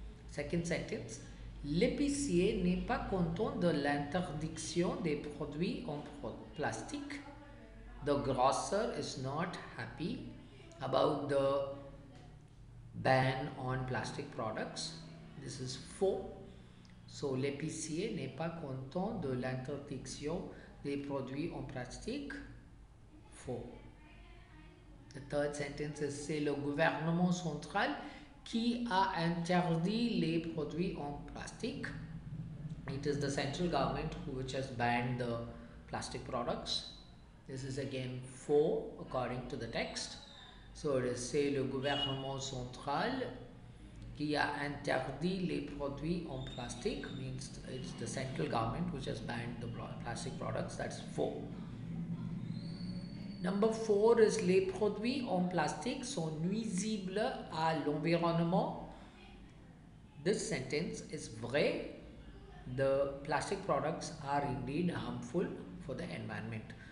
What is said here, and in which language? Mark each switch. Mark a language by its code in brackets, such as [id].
[en] Second sentence, [fr] l'épicier n'est pas content de l'interdiction des produits en plastique. [en] The grocer is not happy about the ban on plastic products. This is faux. [fr] So l'épicier n'est pas content de l'interdiction des produits en plastique. Faux. [en] The third sentence is, [fr] c'est le gouvernement central qui a interdit les produits en plastique. [en] It is the central government which has banned the plastic products. This is again faux according to the text. So [fr] c'est le gouvernement central qui a interdit les produits en plastique, [en] means it's the central government which has banned the plastic products. That's faux. Number 4 is, [fr] les produits en plastique sont nuisibles à l'environnement. [en] This sentence is vrai. The plastic products are indeed harmful for the environment.